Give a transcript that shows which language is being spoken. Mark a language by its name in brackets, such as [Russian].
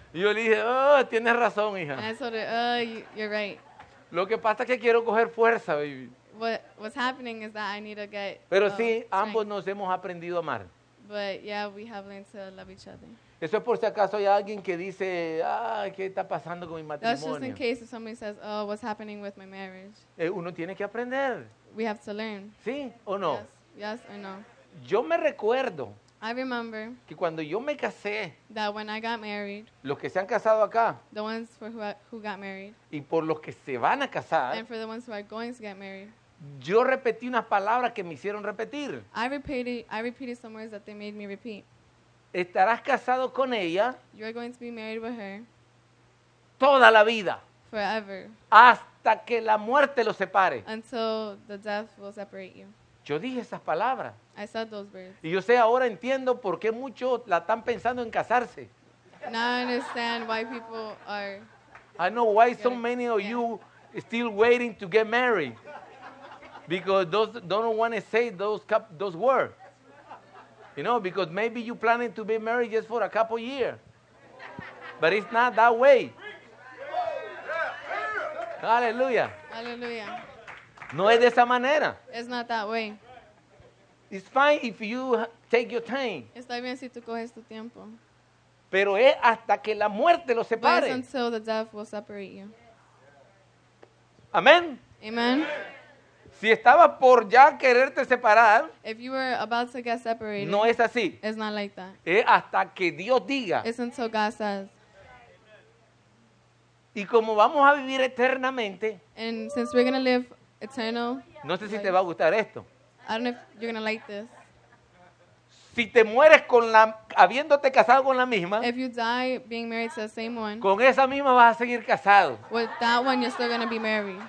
[Spanish] Y yo le dije, oh, tienes razón, hija. [English] And I told her, oh, you're right. [Spanish] Lo que pasa es que quiero coger fuerza, baby. [English] What's happening is that I need to get. [Spanish] Pero sí, strength. Ambos nos hemos aprendido a amar. [English] But yeah, we have learned to love each other. [Spanish] Eso es por si acaso hay alguien que dice, ah, ¿qué está pasando con mi matrimonio? [English] That's just in case if somebody says, oh, what's happening with my marriage. [Spanish] Uno tiene que aprender. [English] We have to learn. [Spanish] ¿Sí o no? [English] Yes or no. [Spanish] Yo me recuerdo que cuando yo me casé, [English] that when I got married, [Spanish] los que se han casado acá, [English] the ones for who got married, [Spanish] y por los que se van a casar, [English] and for the ones who are going to get married, [Spanish] yo repetí unas palabras que me hicieron repetir. [English] I repeated some words that they made me repeat. [Spanish] Estarás casado con ella, [English] you are going to be married with her, [Spanish] toda la vida, [English] forever, [Spanish] hasta que la muerte los separe, [English] until the death will separate you. [Spanish] Yo dije esas palabras. [English] I said those words. [Spanish] Y yo sé, ahora entiendo por qué muchos la están pensando en casarse. [English] Now I understand why people are. I know why so many of you still waiting to get married. Because those don't want to say those words. You know, because maybe you planning to be married just for a couple years. But it's not that way. Hallelujah. Hallelujah. [Spanish] No es de esa manera. [English] It's not that way. It's fine if you take your time. [Spanish] Está bien si tú coges tu tiempo. Pero es hasta que la muerte lo separe. [English] But it's until the death will separate you. [Spanish] Amén. [English] Amen. [Spanish] Si estaba por ya quererte separar. [English] If you were about to get separated. [Spanish] No es así. [English] It's not like that. [Spanish] Es hasta que Dios diga. [English] It's until God says. [Spanish] Y como vamos a vivir eternamente. [English] And since we're going to live eternal. [Spanish] No sé si te va a gustar esto. [English] I don't know if you're going to like this. [Spanish] Si te mueres con la habiéndote casado con la misma. [English] If you die being married to the same one. [Spanish] Con esa misma vas a seguir casado. [English] With that one you're still going to be married.